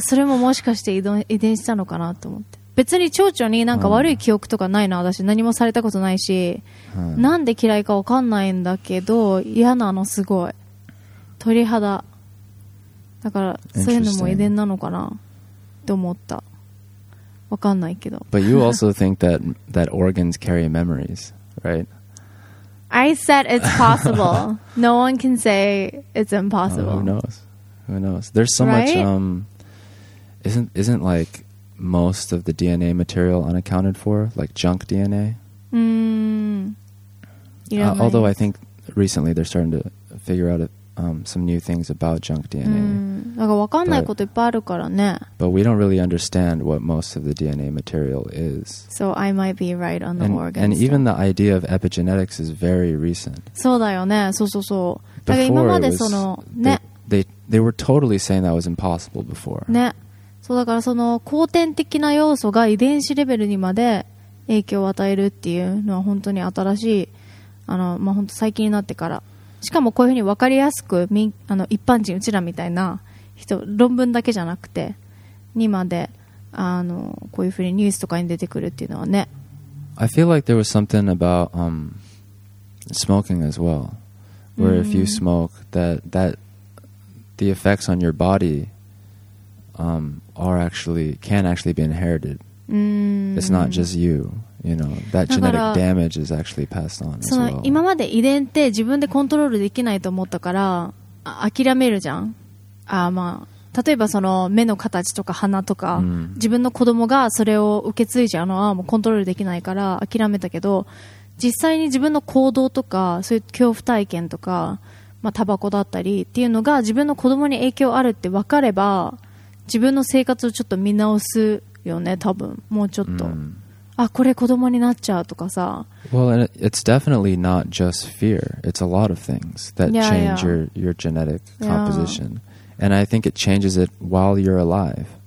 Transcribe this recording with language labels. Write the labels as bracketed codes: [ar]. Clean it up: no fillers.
[ja] それももしかして遺伝したのかなと思って。別に蝶々になんか悪い記憶とかないの、私。何もされたことないし。なんで嫌いかわかんないんだけど、嫌なのすごい。鳥肌。だから、そういうのも遺伝なのかな。と思った。わかんないけど。 [en] But you also think that organs carry memories, right? I said it's possible. No one can say it's impossible. Who knows? Who knows? There's so much. Isn't like most of the DNA material unaccounted for, like junk DNA? Mm. You know, although I think recently they're starting to figure out some new things about junk DNA. [ja] だから分かんないこといっぱいあるからね。 [en] But we don't really understand what most of the DNA material is. So I might be right on the organs. And even the idea of epigenetics is very recent. [ja] そうだよね。そうそうそう。だから今までそのね。 [en] They were totally saying that was impossible before. [ja] ね。そうだからその後天的な要素が遺伝子レベルにまで影響を与えるっていうのは本当に新しい。まあ、本当最近になってから。しかもこういうふうに分かりやすく一般人うちらみたいな人論文だけじゃなくてにまでこういうふうにニュースとかに出てくるっていうのはね。 [en] I feel like there was something about smoking as well, where if you smoke that the effects on your body can actually be inherited. It's not just you. You know, that genetic damage is actually passed on as well. [ja] 今まで遺伝って自分でコントロールできないと思ったから諦めるじゃん。まあ、例えばその目の形とか鼻とか、自分の子供がそれを受け継いじゃうのはもうコントロールできないから諦めたけど、実際に自分の行動とかそういう恐怖体験とか、まあ、タバコだったりっていうのが自分の子供に影響あるって分かれば、自分の生活をちょっと見直すよね、多分もうちょっと。あ、これ子供になっちゃうとかさ。 [en] Well, it's definitely not just fear. It's a lot of things that change your genetic composition. And I think it changes it while you're alive.